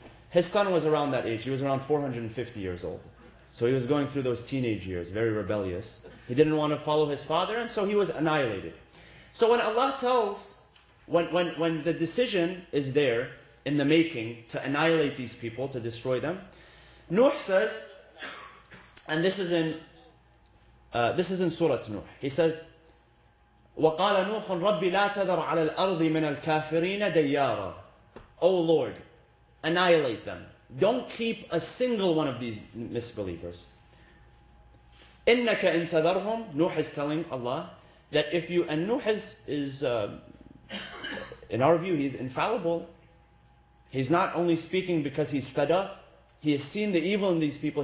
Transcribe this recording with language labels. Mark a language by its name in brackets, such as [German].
[English] His son was around that age. He was around 450 years old. So he was going through those teenage years, very rebellious. He didn't want to follow his father, and so he was annihilated. So when Allah tells, when the decision is there in the making to annihilate these people, to destroy them, Nuh says, And this is in Surah Nuh. He says, [Arabic] وَقَالَ نُوحٌ رَبِّ لَا تَذَرْ عَلَى الْأَرْضِ مِنَ الْكَافِرِينَ دَيَّارًا. [English] O Lord, annihilate them. Don't keep a single one of these misbelievers. [Arabic] إِنَّكَ إِن تَذَرْهُمْ. [English] Nuh is telling Allah that if you... And Nuh is in our view, he's infallible. He's not only speaking because he's fed up. He has seen the evil in these people.